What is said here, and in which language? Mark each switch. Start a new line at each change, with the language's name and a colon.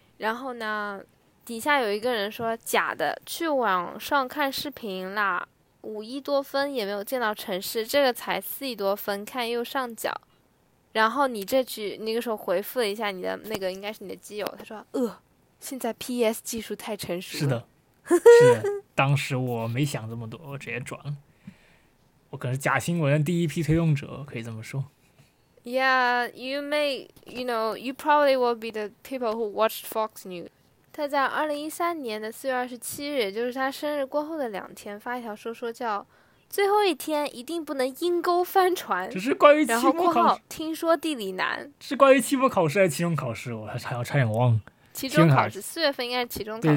Chinese: 然后呢，底下有一个人说假的，去网上看视频啦，5亿多分也没有见到城市，这个才4亿多分，看右上角。然后你这句那个时候回复了一下你的那个应该是你的基友，他说现在 PS 技术太成熟了。是的。是的，当时我没想这么多，我直接转了。我可是假新闻的第一批推动者，可以这么说。
English: Yeah, you probably will be the people who watched Fox News.
Chinese: 他在2013年4月27日，也就是他生日过后的2天，发一条说说叫“最后一天一定不能阴沟翻船”。这是关于期末考试。然后括号听说地理难。是关于期末考试还是期中考试？我还要差点忘了。期中考试，4月份应该是期中考试。